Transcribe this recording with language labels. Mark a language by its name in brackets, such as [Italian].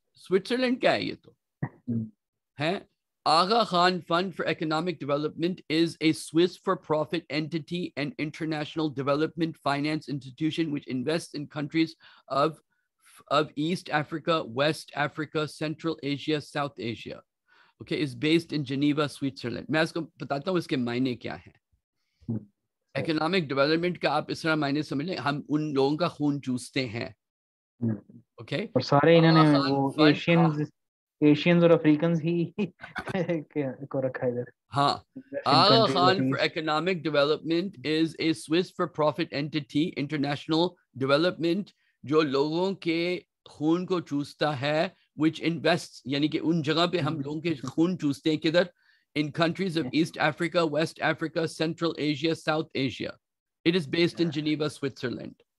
[Urdu] Switzerland کا ہے, یہ تو ہے [English] Agha Khan fund for economic development is a Swiss for profit entity and international development finance institution which invest in countries of of East Africa, West Africa, Central Asia, South Asia. Okay, is based in Geneva, Switzerland. [Urdu] میں اس کو بتاتا ہوں اس کے معنی کیا ہے. Economic development کا آپ اس طرح معنی سمجھ لیں, ہم ان لوگوں کا خون چوستے ہیں. [English] Okay. [Urdu] اور سارے انہوں نے وہ Asians اور Africans ہی کو رکھا ادھر. [English] ہاں, Agha Khan for economic development is a Swiss for profit entity international development, [Urdu] جو لوگوں کے خون کو چوستا ہے, [English] which invest [Urdu] یعنی کہ ان جگہ پہ ہم لوگوں کے خون چوستے ہیں, کدھر, [English] In countries of East Africa, West Africa, Central Asia, South Asia, it is based in Geneva, Switzerland.